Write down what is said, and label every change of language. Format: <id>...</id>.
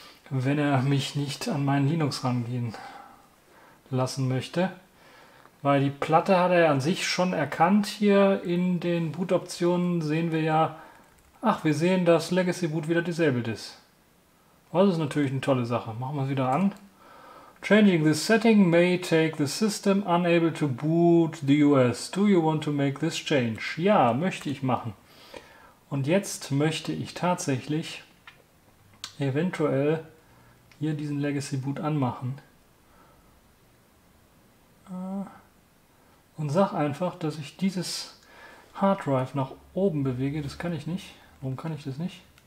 <de>Wenn er mich nicht an meinen Linux rangehen lassen möchte. Weil die Platte hat er an sich schon erkannt. Hier in den Bootoptionen sehen wir ja, ach, wir sehen, dass Legacy Boot wieder disabled ist. Das ist natürlich eine tolle Sache. Machen wir es wieder an.</de> <en>Changing this setting may take the system unable to boot the US. Do you want to make this change?</en> <de>Ja, möchte ich machen. Und jetzt möchte ich tatsächlich eventuell hier diesen Legacy Boot anmachen und sag einfach, dass ich dieses Hard Drive nach oben bewege. Das kann ich nicht. Warum kann ich das nicht?</de>